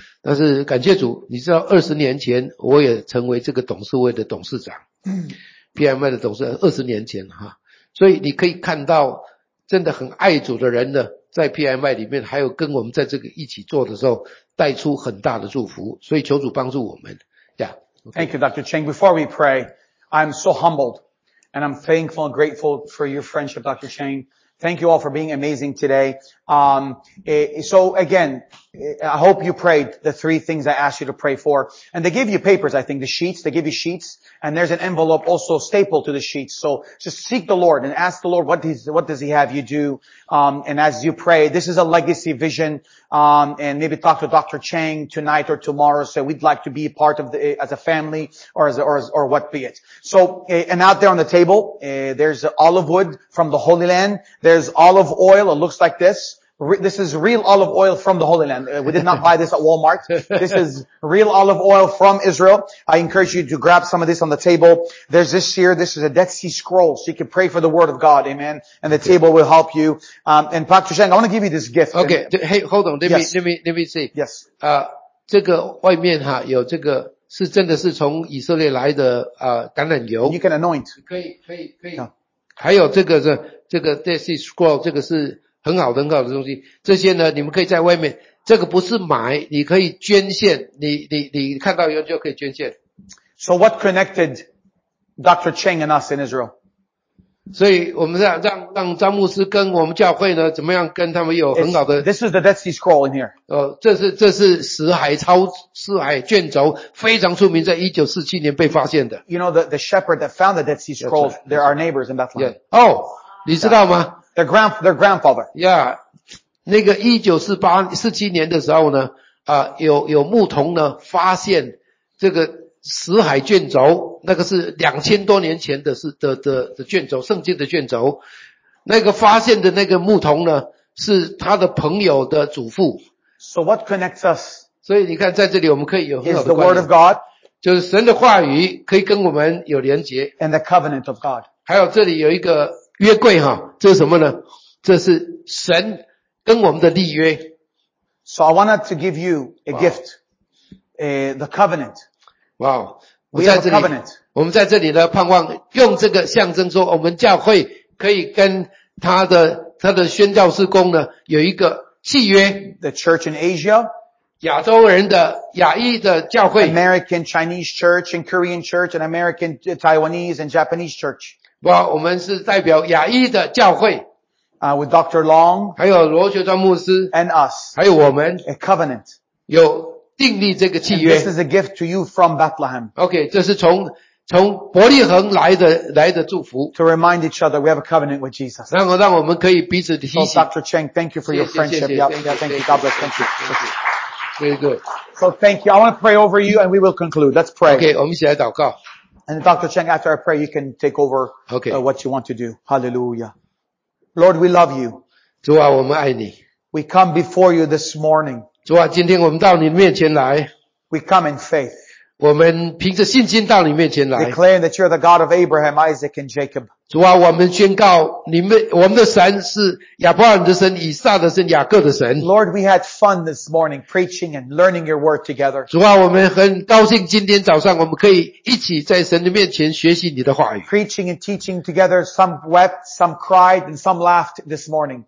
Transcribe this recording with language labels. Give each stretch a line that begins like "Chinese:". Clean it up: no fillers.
Chinese: 但是感谢主，你知道20年前我也成为这个董事会的董事长。 PMI 的董事长20年前哈。所以你可以看到真的很爱主的人呢在 PMI 里面还有跟我们在这个一起做的时候带出很大的祝福。所以求主帮助我们。
English: Yeah, okay. Thank you, Dr. Cheng. Before we pray, I'm so humbled and I'm thankful and grateful for your friendship, Dr. Cheng. Thank you all for being amazing today. So again, I hope you prayed the three things I asked you to pray for. And they give you papers, I think, the sheets. They give you sheets. And there's an envelope also stapled to the sheets. So just seek the Lord and ask the Lord what does he have you do. And as you pray, this is a legacy vision. And maybe talk to Dr. Cheng tonight or tomorrow. Say we'd like to be part of as a family or what be it. So, and out there on the table, there's olive wood from the Holy Land. There's olive oil. It looks like this. This is real olive oil from the Holy Land. We did not buy this at Walmart. This is real olive oil from Israel. I encourage you to grab some of this on the table. There's this here. This is a Dead Sea Scroll. So you can pray for the Word of God. Amen. And the table will help you. And Pastor Zhang, I want to give you this gift. Okay. Hey, hold on. Let me see. Yes.
Chinese: 这个外面哈有这个是真的是从以色列来的橄榄油。
English: You can anoint.
Chinese: 可以。还有这个 Dead Sea Scroll, 这个是很好很好的东西，这些呢你们可以在外面，这个不是买，你可以捐献，你看到有就可以捐献。
English: So what connected Dr. Cheng and us in Israel?
Chinese: 所以我们是让张牧师跟我们教会呢怎么样跟他们有很好的。
English: This is the Dead Sea Scroll in here.
Chinese: 这是死海卷轴，非常出名，在1947年被发现的。
English: You know the shepherd that found the Dead Sea Scrolls, they're our neighbors in Bethlehem. Yeah. Oh,
Chinese: 你知道吗？
English: Their grandfather. Yeah.
Chinese: 那个1947年的时候呢有牧童呢发现这个死海卷轴，那个是2000多年前的卷轴，圣经的卷轴。那个发现的那个牧童呢是他的朋友的祖父。
English: So what connects us?
Chinese: 所以你看在这里我们可以有很好的关系。
English: Is the word of God.
Chinese: 就是神的话语可以跟我们有连结。
English: And the covenant of God.
Chinese: 还有这里有一个约柜哈，这是什么呢？这是神跟我们的立约。
English: So I wanted to give you a gift, the covenant. Wow, we have a covenant.
Chinese: 我们在这里呢，盼望用这个象征说，我们教会可以跟他的宣教士工呢有一个契约。
English: The church in Asia,
Chinese: 亚洲人的亚裔的教会
English: ，American Chinese church and Korean church and American Taiwanese and Japanese church. Well,
Chinese: 我们是代表亚裔的教会。
English: With Dr. Long.
Chinese: 还有罗学庄牧师。
English: And us.
Chinese: 还有我们。
English: A covenant.
Chinese: 有订立这个契约。
English: And this is a gift to you from Bethlehem. Okay,
Chinese: 这是从伯利恒来的祝福。
English: To remind each other, we have a covenant with Jesus.
Chinese: 让我们可以彼此提醒。
English: So, Dr. Cheng, thank you for your friendship. Yep, thank you. God bless. Thank you. Very good. So thank you. I want to pray over you and we will conclude. Let's pray. Okay,
Chinese: 我们一起来祷告。
English: And Dr. Cheng, after I pray, you can take over okay. What you want to do. Hallelujah. Lord, we love you.
Chinese: 主啊，我们爱你。
English: We come before you this morning.
Chinese: 主啊，今天我们到你面前来。
English: We come in faith.
Chinese: 我们凭着信心到你面前来。
English: Declaring that you're the God of Abraham, Isaac, and Jacob.
Chinese: 主啊，我们宣告你们，我们的神是亚伯拉罕的神、以撒的神、雅各的神。
English: Lord, we had fun this morning preaching and learning your word together.
Chinese: 主啊，我们很高兴今天早上我们可以一起在神的面前学习你的话语。
English: Preaching and teaching together, some wept, some cried, and some laughed this morning.